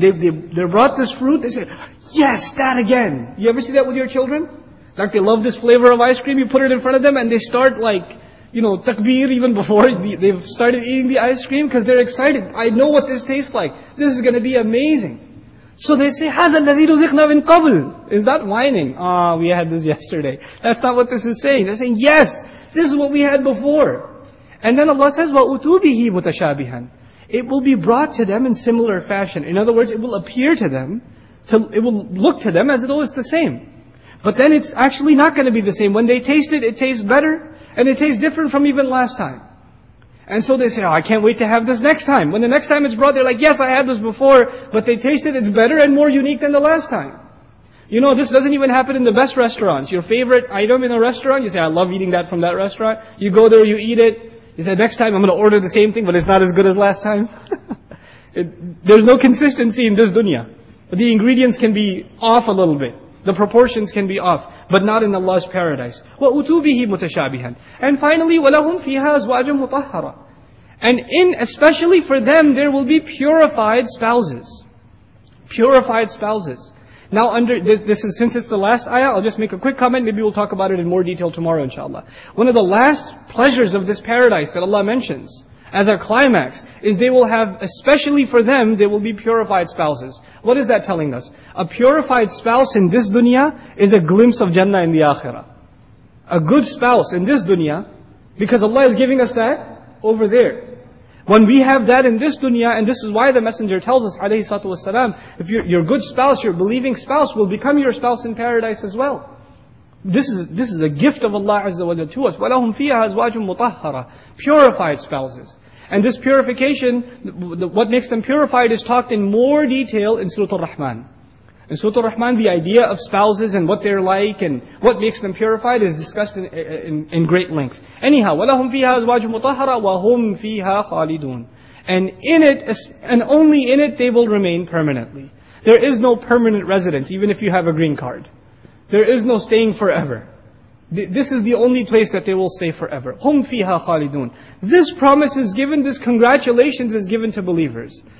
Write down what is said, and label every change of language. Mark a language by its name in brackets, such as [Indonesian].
[English] They brought this fruit, they said, yes, that again. You ever see that with your children? Like they love this flavor of ice cream, you put it in front of them, and they start like, you know, takbir even before they've started eating the ice cream, because they're excited. I know what this tastes like. This is going to be amazing. So they say, [Arabic] هَذَا الَّذِي رُزِقْنَا مِنْ قَبْلِ. [English] Is that whining? Ah, we had this yesterday. That's not what this is saying. They're saying, yes, this is what we had before. And then Allah says, [Arabic] وَأُتُوا بِهِ مُتَشَابِهًا. [English] It will be brought to them in similar fashion. In other words, it will appear to them, it will look to them as though it's the same. But then it's actually not going to be the same. When they taste it, it tastes better, and it tastes different from even last time. And so they say, oh, I can't wait to have this next time. When the next time it's brought, they're like, yes, I had this before, but they taste it, it's better and more unique than the last time. You know, this doesn't even happen in the best restaurants. Your favorite item in a restaurant, you say, I love eating that from that restaurant. You go there, you eat it. You say, next time I'm going to order the same thing, but it's not as good as last time. There's no consistency in this dunya. The ingredients can be off a little bit. The proportions can be off, but not in Allah's paradise. [Arabic] وَأُتُوبِهِ مُتَشَابِهًا. [English] And finally, [Arabic] وَلَهُمْ فِيهَا أَزْوَاجٌ مُطَهَّرَةٌ. [English] And in especially for them, there will be purified spouses. Purified spouses. Now under this is, since it's the last ayah, I'll just make a quick comment. Maybe we'll talk about it in more detail tomorrow, inshallah. One of the last pleasures of this paradise that Allah mentions as a climax is they will have, especially for them, they will be purified spouses. What is that telling us? A purified spouse in this dunya is a glimpse of Jannah in the Akhirah. A good spouse in this dunya, because Allah is giving us that over there. When we have that in this dunya, and this is why the Messenger tells us, alayhi salatu wasalam, if your good spouse, your believing spouse, will become your spouse in paradise as well. This is a gift of Allah Azza wa Jalla to us. [Arabic] وَلَهُمْ فِيهَا أَزْوَاجٌ مُطَهَّرَةٌ. [English] Purified spouses. And this purification, what makes them purified is talked in more detail in Surah Al-Rahman. In Surah Al-Rahman, the idea of spouses and what they're like and what makes them purified is discussed in great length. [Arabic] Anyhow, وَلَهُمْ فِيهَا أَزْوَاجٌ مُطَهَّرَةٌ وَهُمْ فِيهَا خَالِدُونَ. [English] And in it, and only in it, they will remain permanently. There is no permanent residence, even if you have a green card. There is no staying forever. This is the only place that they will stay forever. [Arabic] هُمْ فِيهَا خَالِدُونَ. [English] This promise is given, this congratulations is given to believers.